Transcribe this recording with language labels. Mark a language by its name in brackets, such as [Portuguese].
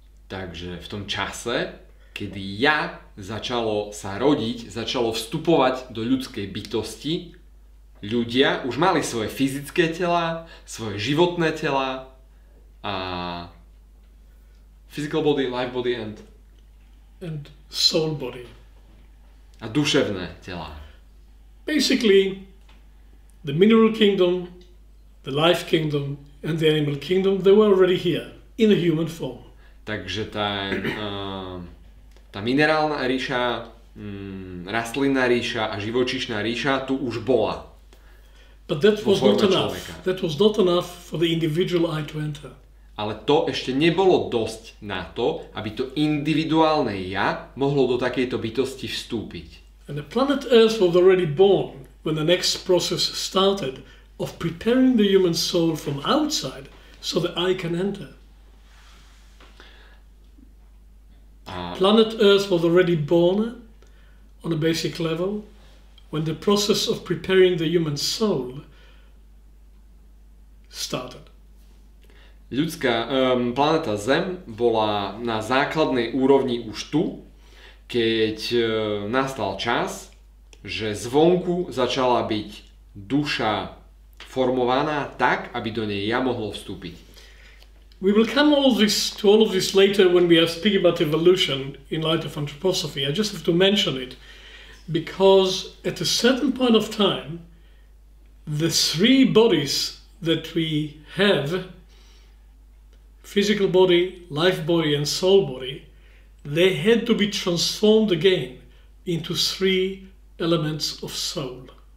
[Slovak] Takže v tom čase, kedy ja začalo sa rodiť, začalo vstupovať do ľudskej bytosti, ľudia už mali svoje fyzické tela, svoje životné tela a [English] physical body, life body and soul body. [Slovak] A duševné tela. [English] Basically, the mineral kingdom, the life kingdom and the animal kingdom, they were already here, in a human form. [Slovak] Takže tá minerálna ríša, rastlinná ríša a živočíšna ríša tu už bola. [English] But that was not enough. That was not enough for the individual eye to enter. [Slovak] Ale to ešte nebolo dosť na to, aby to individuálne ja mohlo do takejto bytosti vstúpiť. [English] And the planet Earth was already born when the next process started of preparing the human soul from outside so the eye can enter. Planet Earth was already born on a basic level when the process of preparing the human soul started. [Slovak] Ľudská planeta Zem bola na základnej úrovni už tu, keď nastal čas, že zvonku začala byť duša formovaná tak, aby do nej ja mohol vstúpiť. [English] We will come to all of this later when we are speaking about evolution in light of anthroposophy. I just have to mention it because at a certain point of time, the three bodies that we have, physical body, life body and soul body, they had to be transformed again into three elements of soul.